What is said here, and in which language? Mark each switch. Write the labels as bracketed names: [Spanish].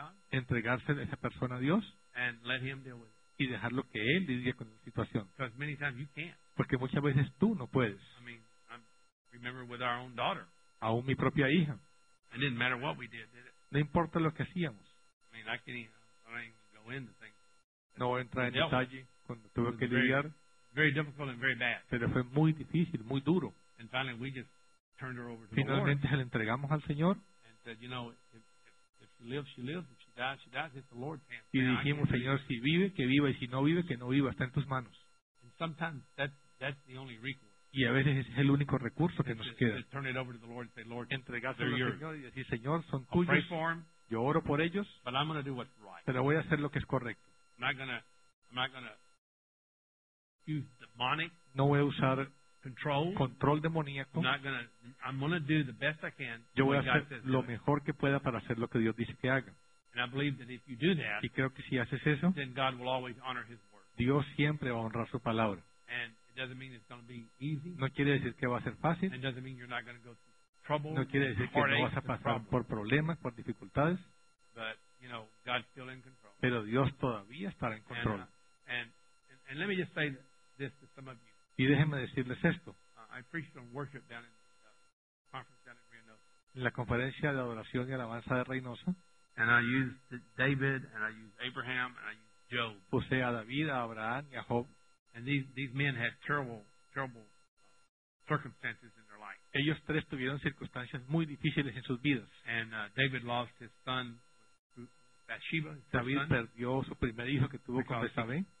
[Spanish] Entregarse a esa persona a Dios y dejarlo que Él lidie con la situación. Porque muchas veces tú no puedes. [English] I mean, I remember with our own daughter. [Spanish] Aún mi propia hija. [English] It didn't matter what we did it? [Spanish] No importa lo que hacíamos. [English] I mean, I can't even go into things. [Spanish] No voy a entrar en detalle cuando tuve que lidiar. [English] Very difficult and very bad. [Spanish] Pero fue muy difícil, muy duro. [English] And finally we just turned her over to [Spanish] finalmente [English] the Lord. [Spanish] Se la entregamos al Señor. [English] And said, you know, if she lives, she lives. If she dies, she dies. It's the Lord's hands. [Spanish] Y dijimos, Señor, si vive, que viva. Y si no vive, que no viva. Está en tus manos. [English] Sometimes that's the only recourse. [Spanish] Y a veces es el único recurso que nos queda. [English] Turn it over to the Lord and say, Lord, [Spanish] entregárselo al Señor y decir, Señor, son [English] I'll [Spanish] tuyos. [English] Pray for him, [Spanish] yo oro por ellos. [English] But I'm going to do what's right. [Spanish] Pero voy a hacer lo que es correcto. [English] I'm not going to use demonic. [Spanish] No voy a usar control demoníaco. [English] I'm going to do the best I can. [Spanish] Yo voy a hacer lo mejor que pueda para hacer lo que Dios dice que haga. [English] And I believe that if you do that, [Spanish] y creo que si haces eso, [English] then God will always honor His word. [Spanish] Dios siempre va a honrar su palabra. [English] And it doesn't mean it's going to be easy. [Spanish] No quiere decir que va a ser fácil. [English] And it doesn't mean you're not going to go through trouble, [Spanish] no quiere decir que no vas a pasar por problemas, por dificultades, [English] but, you know, God's still in control. [Spanish] Pero Dios todavía estará en control. [English] And let me just say this to some of you. [Spanish] Y déjenme decirles esto. [English] I preached on worship down in the conference down in Reynosa. [Spanish] En la conferencia de adoración y alabanza de Reynosa. [English] And I used David, and I used Abraham, and I used Job. [Spanish] Puse a David, a Abraham y a Job. [English] And these men had terrible circumstances in their life. [Spanish] Ellos tres tuvieron circunstancias muy difíciles en sus vidas. [English] And David lost his son Bathsheba. [Spanish] David perdió su primer hijo que tuvo con Betsabé.